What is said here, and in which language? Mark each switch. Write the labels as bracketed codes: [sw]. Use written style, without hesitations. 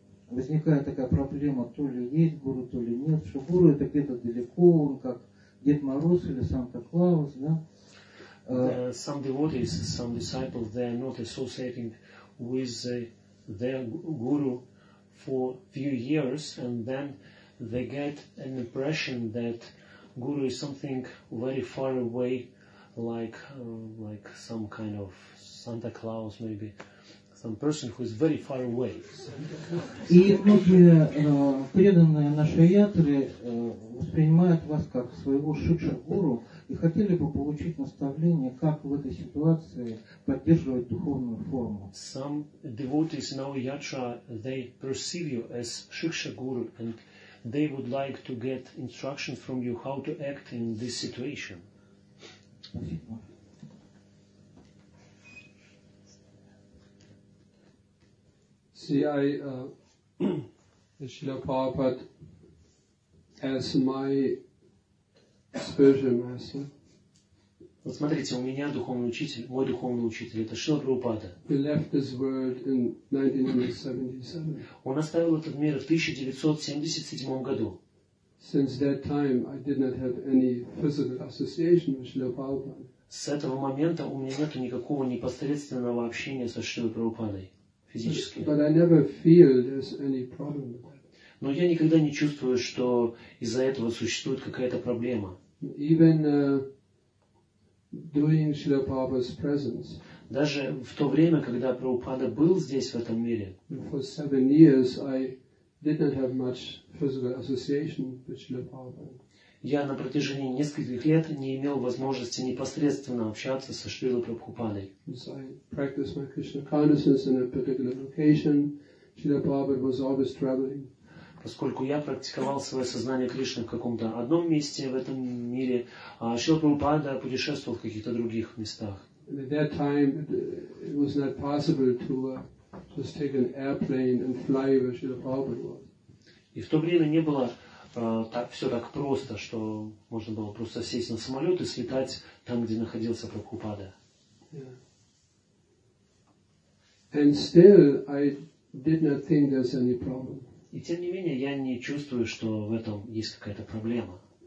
[ru] Возникает такая проблема, то ли есть гуру, то ли нет, что гуру это где-то далеко, он как Дед Мороз или Санта-Клаус, да? [en] Some devotees, some disciples, they are not associating with their guru for few years, and then they get an impression that guru is something very far away, like some kind of Santa Claus, maybe some person who is very far away. [ru] И многие преданные нашей ятры воспринимают вас как своего шучу гуру и хотели бы получить наставление, как в этой ситуации поддерживать духовную форму. [en] Some devotees in our yatra, they perceive you as shiksha guru, and they would like to get instruction from you how to act in this situation. See, I, Srila Prabhupada, as my spiritual master, [ru] вот смотрите, у меня духовный учитель, мой духовный учитель, это Шрила Прабхупада. [en] He left this world in 1977. [ru] Он оставил этот мир в 1977 году. [en] Since that time, I did not have any physical association with Шрила Прабхупада. [ru] С этого момента у меня нет никакого непосредственного общения со Шрилой Прабхупадой физически. [en] But I never feel there's any problem with that. [ru] Но я никогда не чувствую, что из-за этого существует какая-то проблема. [en] Even during Srila Prabhupada's presence. [ru] Даже в то время, когда Прабхупада был здесь, в этом мире, [en] for 7 years I did not have much physical association with Srila Prabhupada. [ru] Я на протяжении нескольких лет не имел возможности непосредственно общаться со Шрилой Прабхупадой. [en] So I practiced my Krishna consciousness in a particular location. Srila Prabhupada was always traveling. [ru] Поскольку я практиковал свое сознание Кришны в каком-то одном месте в этом мире, а Шрила Прабхупада путешествовал в каких-то других местах. [en] At that time it was not possible to just take an airplane and fly where Srila Prabhupada was. [ru] И в то время не было так, все так просто, что можно было просто сесть на самолет и слетать там, где находился Прабхупада. [en] Yeah. And still I did not think there's any problem. [ru] И тем не менее, я не чувствую, что в этом есть какая-то проблема.